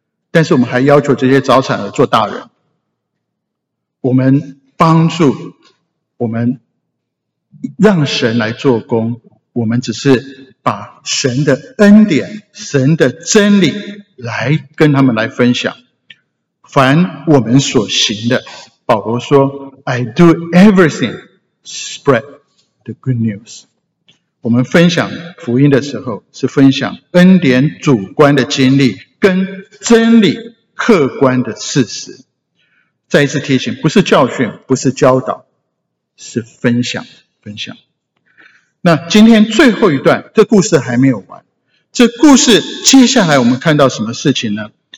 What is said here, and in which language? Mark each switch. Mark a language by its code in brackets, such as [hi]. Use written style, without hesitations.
[zh] 但是我们还要求这些早产儿做大人，我们帮助，我们让神来做工，我们只是把神的恩典、神的真理来跟他们来分享。凡我们所行的，保罗说 [en] I do everything spread the good news。 [zh] 我们分享福音的时候是分享恩典主观的经历跟真理客观的事实。再一次提醒，不是教训，不是教导，是分享，分享。那今天最后一段，这故事还没有完。这故事接下来我们看到什么事情呢？